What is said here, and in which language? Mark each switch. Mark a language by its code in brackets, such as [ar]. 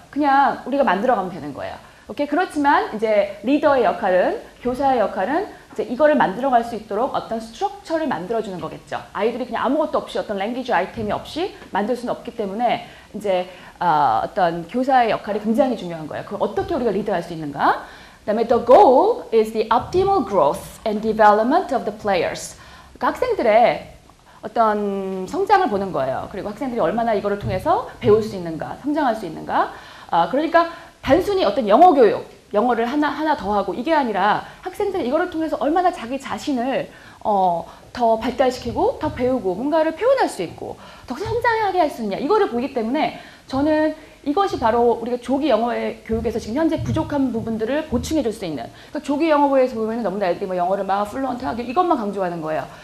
[ko] 그냥 우리가 만들어가면 되는 거예요. 오케이? 그렇지만 이제 리더의 역할은, 교사의 역할은 이거를 만들어 갈 수 있도록 어떤 스트럭처를 만들어 주는 거겠죠. 아이들이 그냥 아무것도 없이 어떤 랭귀지 아이템이 없이 만들 수는 없기 때문에 이제 어떤 교사의 역할이 굉장히 중요한 거예요. 그걸 어떻게 우리가 리드할 수 있는가? 그다음에 [en] the goal is the optimal growth and development of the players. [ko] 그러니까 학생들의 어떤 성장을 보는 거예요. 그리고 학생들이 얼마나 이거를 통해서 배울 수 있는가? 성장할 수 있는가? 그러니까 단순히 어떤 영어 교육 영어를 하나 더 하고 이게 아니라 학생들이 이거를 통해서 얼마나 자기 자신을 더 발달시키고 더 배우고 뭔가를 표현할 수 있고 더 성장하게 할 수 있냐 이거를 보기 때문에 저는 이것이 바로 우리가 조기 영어 교육에서 지금 현재 부족한 부분들을 보충해 줄 수 있는 그러니까 조기 영어부에서 보면 너무나 애들이 뭐 영어를 막 플루언트하게 이것만 강조하는 거예요.